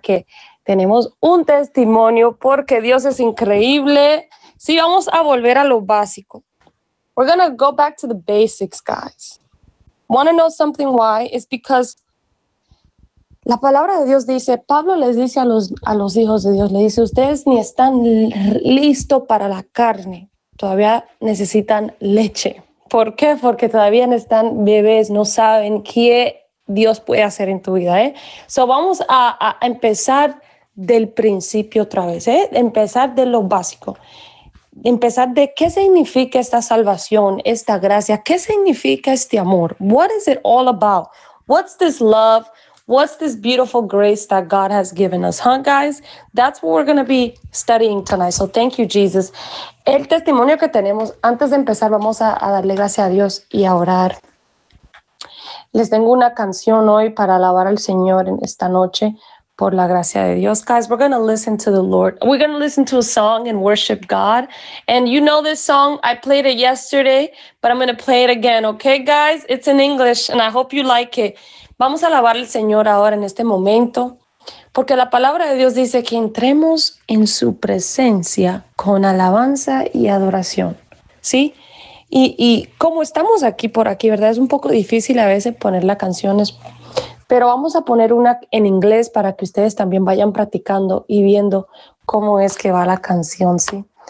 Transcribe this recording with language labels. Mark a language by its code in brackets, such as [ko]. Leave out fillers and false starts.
[es] Que tenemos un testimonio porque Dios es increíble. Sí, vamos a volver a lo básico. [en] We're gonna go back to the basics, guys. [es] Want to know something why? It's because la palabra de Dios dice, Pablo les dice a los hijos de Dios, le dice, ustedes ni están listos para la carne. Todavía necesitan leche. ¿Por qué? Porque todavía no están bebés, no saben qué Dios puede hacer en tu vida, ¿eh? So vamos a empezar del principio otra vez, ¿eh? Empezar de lo básico. Empezar de qué significa esta salvación, esta gracia, qué significa este amor. [en] What is it all about? What's this love? What's this beautiful grace that God has given us, huh, guys? That's what we're going to be studying tonight. So thank you, Jesus. [es] El testimonio que tenemos, antes de empezar, vamos a darle gracias a Dios y a orar. Les tengo una canción hoy para alabar al Señor en esta noche por la gracia de Dios. [en] Guys, we're going to listen to the Lord. We're going to listen to a song and worship God. And you know this song. I played it yesterday, but I'm going to play it again. Okay, guys? It's in English, and I hope you like it. [es] Vamos a alabar al Señor ahora en este momento, porque la palabra de Dios dice que entremos en su presencia con alabanza y adoración. ¿Sí? Y como estamos aquí por aquí, ¿verdad? Es un poco difícil a veces poner las canciones, pero vamos a poner una en inglés para que ustedes también vayan practicando y viendo cómo es que va la canción, ¿sí?